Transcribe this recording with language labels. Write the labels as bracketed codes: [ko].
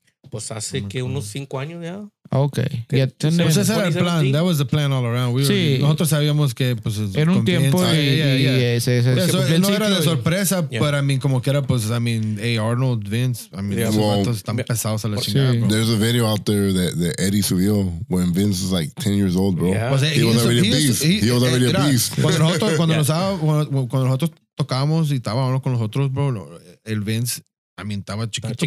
[es] Pues hace que unos 5 años ya. [en] Okay. [es] Pues ese era el plan. [en] That was the plan all around. [es] Nosotros sabíamos que pues era un tiempo y él no era de sorpresa, pero hey, Arnold, Vince, están pesados a la chingada. [en] There's a video out there that Eddie [es] subió [en] when Vince was like 10 years old, bro. He was already a beast. [es] Cuando nosotros tocábamos y estaba uno con los otros, bro, el Vince, estaba chiquito.